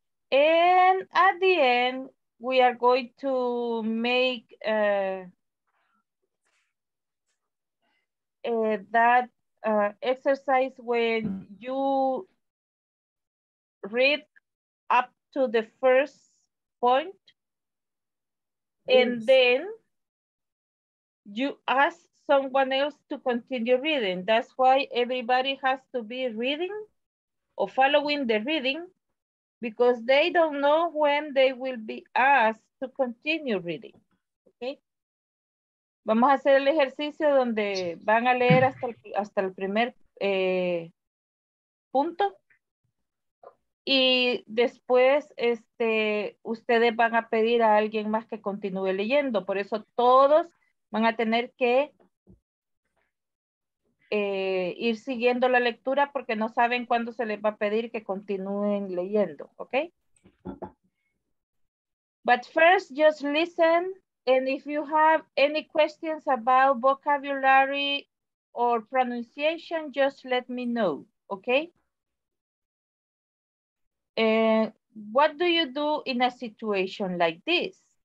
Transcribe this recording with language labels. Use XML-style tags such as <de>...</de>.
<en>And at the end, we are going to make that exercise when you read up to the first point, and then you ask someone else to continue reading. That's why everybody has to be reading or following the reading, because they don't know when they will be asked to continue reading. Okay.</en> <es>Vamos a hacer el ejercicio donde van a leer hasta el primer punto. Y después ustedes van a pedir a alguien más que continúe leyendo. Por eso todos van a tener que ir siguiendo la lectura, porque no saben cuándo se les va a pedir que continúen leyendo, okay?</es> <en>But first, just listen, and if you have any questions about vocabulary or pronunciation, just let me know, okay? And what do you do in a situation like this?</en>